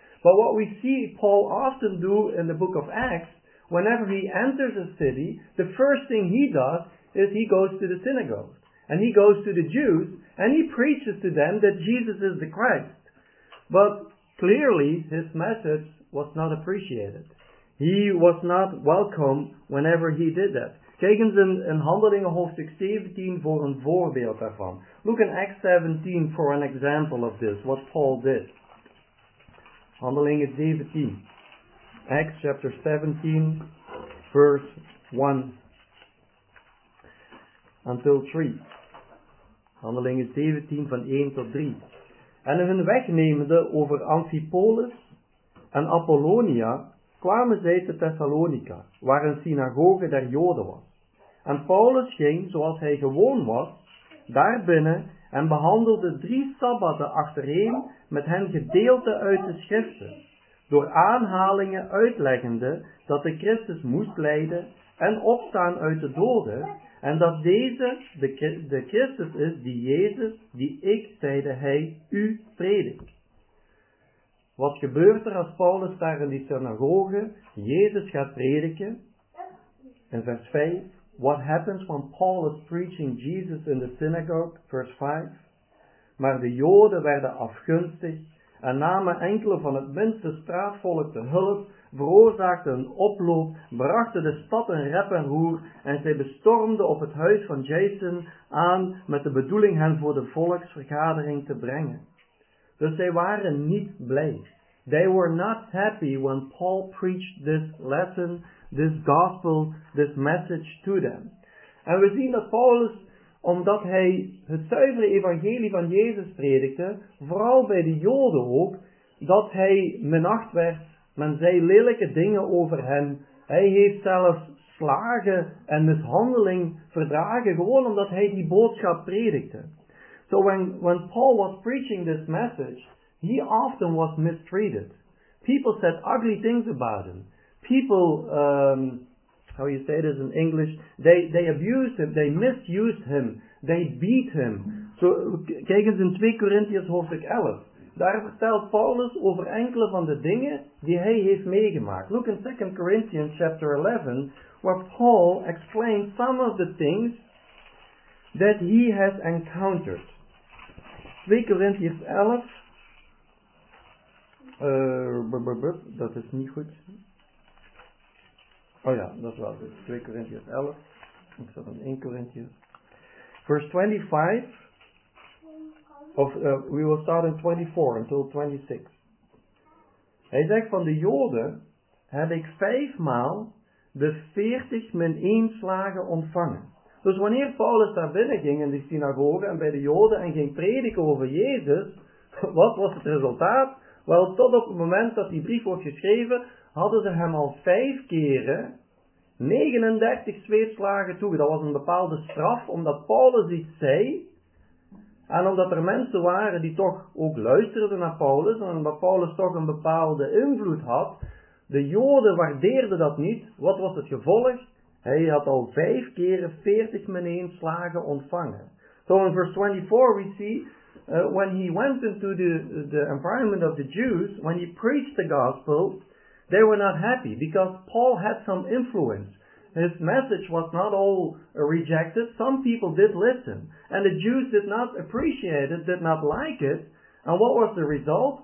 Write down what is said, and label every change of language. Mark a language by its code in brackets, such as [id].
[en] But what we see Paul often do in the book of Acts, whenever he enters a city, the first thing he does is he goes to the synagogue, and he goes to the Jews, and he preaches to them that Jesus is the Christ. But clearly, his message was not appreciated. He was not welcome whenever he did that. [nl] Kijk eens in Handelingen hoofdstuk 17 voor een voorbeeld daarvan. [en] Look in Acts 17 for an example of this, what Paul did. [nl] Handelingen 17. [en] Acts chapter 17, verse 1. Until 3. [nl] Handelingen 17 van 1 tot 3. En hun wegnemende over Amphipolis en Apollonia kwamen zij te Thessalonica, waar een synagoge der Joden was. En Paulus ging, zoals hij gewoon was, daarbinnen en behandelde 3 sabbatten achtereen met hen gedeelte uit de schriften, door aanhalingen uitleggende dat de Christus moest lijden en opstaan uit de doden, en dat deze de Christus is, die Jezus, die ik, zeide hij, u predik. Wat gebeurt er als Paulus daar in die synagoge Jezus gaat prediken? [en] In vers 5, what happens when Paul is preaching Jesus in the synagogue? [nl] Vers 5, maar de Joden werden afgunstig en namen enkele van het minste straatvolk te hulp, veroorzaakten een oploop, brachten de stad in rep en roer en zij bestormden op het huis van Jason aan met de bedoeling hen voor de volksvergadering te brengen. Dus zij waren niet blij. [en] They were not happy when Paul preached this lesson, this gospel, this message to them. [nl] En we zien dat Paulus, omdat hij het zuivere evangelie van Jezus predikte, vooral bij de Joden ook, dat hij minacht werd. Men zei lelijke dingen over hem. Hij heeft zelfs slagen en mishandeling verdragen, gewoon omdat hij die boodschap predikte. [en] So when Paul was preaching this message, he often was mistreated. People said ugly things about him. People, how you say this in English, they abused him, they misused him, they beat him. [nl] So, kijk eens in 2 Corinthians hoofdstuk 11. Daar vertelt Paulus over enkele van de dingen die hij heeft meegemaakt. [en] Look in 2 Corinthians chapter 11, where Paul explains some of the things that he has encountered. [nl] 2 Corinthians 11, dat is niet goed. Oh ja, dat was het. 2 Corinthians 11, ik zat in 1 Corinthians. [en] Verse 25. We will start in 24 until 26. [nl] Hij zegt, van de Joden heb ik 5 maal de 40 min 1 slagen ontvangen. Dus wanneer Paulus daar binnen ging in de synagoge en bij de Joden en ging prediken over Jezus, wat was het resultaat? Wel, tot op het moment dat die brief wordt geschreven, hadden ze hem al 5 keren 39 zweepslagen toegedaan. Dat was een bepaalde straf, omdat Paulus iets zei. En omdat er mensen waren die toch ook luisterden naar Paulus, en omdat Paulus toch een bepaalde invloed had, de Joden waardeerden dat niet. Wat was het gevolg? Hij had al 5 keren 40 min 1 slagen ontvangen. [en] So in verse 24 we see, when he went into the environment of the Jews, when he preached the gospel, they were not happy, because Paul had some influence. His message was not all rejected. Some people did listen. And the Jews did not appreciate it, did not like it. And what was the result?